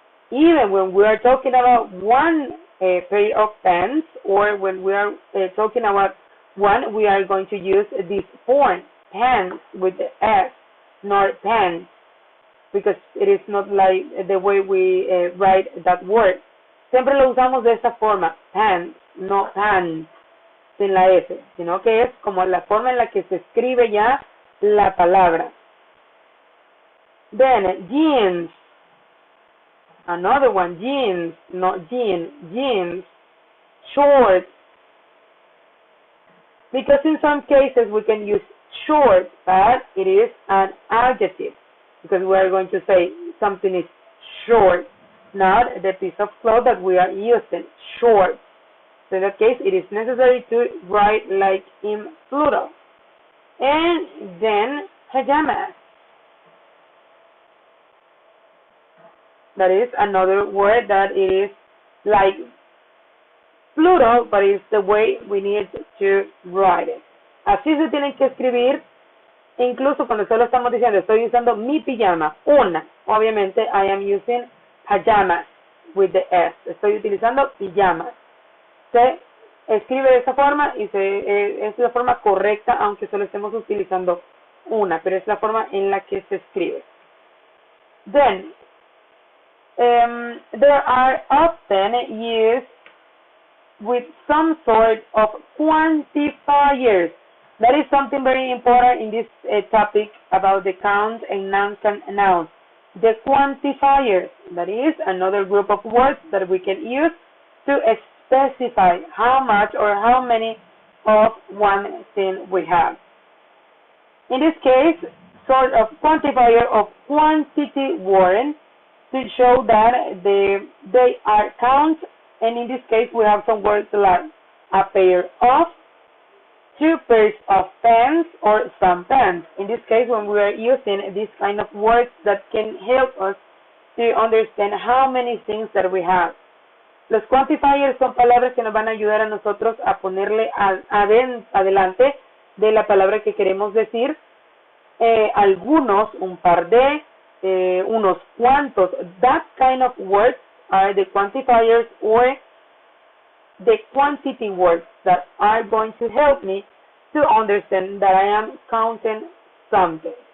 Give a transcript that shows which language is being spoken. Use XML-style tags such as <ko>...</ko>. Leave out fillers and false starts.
<en>Even when we are talking about one pair of pants, or when we are talking about one, we are going to use this form, pants, with the S, not pants, because it is not like the way we write that word.</en> <es>Siempre lo usamos de esta forma, pants. No pan, sin la S, sino que es como la forma en la que se escribe ya la palabra.</es> <en>Then, jeans. Another one, jeans, not jean, jeans. Shorts. Because in some cases we can use short, but it is an adjective. Because we are going to say something is short, not the piece of cloth that we are using, short. So in that case, it is necessary to write like in plural. And then, pajamas. That is another word that it is like plural, but it's the way we need to write it.</en> <es>Así se tienen que escribir, incluso cuando solo estamos diciendo, estoy usando mi pijama, una.</es> <en>Obviamente, I am using pajamas with the S.</en> <es>Estoy utilizando pijamas. Se escribe de esa forma y se es la forma correcta, aunque solo estemos utilizando una, pero es la forma en la que se escribe.</es> <en>Then, there are often used with some sort of quantifiers. That is something very important in this topic about the count and nouns. The quantifiers, that is another group of words that we can use to specify how much or how many of one thing we have. In this case, sort of quantifier of quantity word to show that they are counts, and in this case we have some words like a pair of, two pairs of pants, or some pants. In this case, when we are using this kind of words that can help us to understand how many things that we have.</en> <es>Los quantifiers son palabras que nos van a ayudar a nosotros a ponerle adelante de la palabra que queremos decir. Algunos, un par de, unos cuantos.</es> <en>That kind of words are the quantifiers or the quantity words that are going to help me to understand that I am counting something.</en>